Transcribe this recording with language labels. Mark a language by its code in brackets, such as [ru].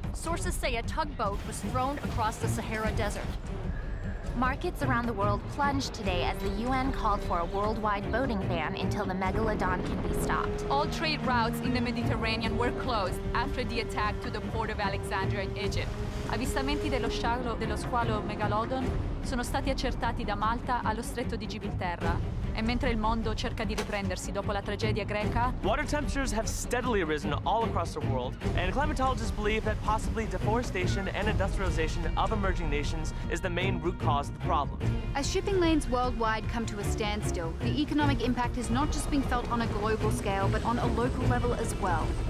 [en] Sources say a tugboat was thrown across the Sahara Desert. Markets around the world plunged today as the UN called for a worldwide boating ban until the megalodon can be stopped. All trade routes in the Mediterranean were closed after the attack to the port of Alexandria in Egypt. [it] Avvistamenti dello sciallo dello squalo megalodon sono stati accertati da Malta allo stretto di Gibilterra. E mentre il mondo cerca di riprendersi dopo la tragedia greca, [en] water temperatures have steadily risen all across the world, and climatologists believe that possibly deforestation and industrialization of emerging nations is the main root cause of the problem. As shipping lanes worldwide come to a standstill, the economic impact is not just being felt on a global scale, but on a local level as well.